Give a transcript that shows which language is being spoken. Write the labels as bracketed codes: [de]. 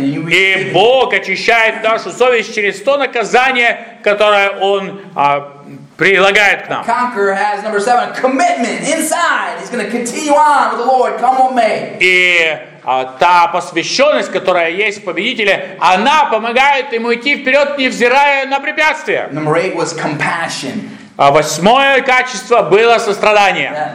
[ru] И Бог очищает нашу совесть через то наказание, которое Он прилагает к нам. [en] Conqueror has number 7, commitment inside. He's going to continue on with the Lord, come on, may. [ru] И та посвященность, которая есть в победителе, она помогает ему идти вперед, невзирая на препятствия. [en] Number 8 was compassion. [ru] Восьмое качество было сострадание.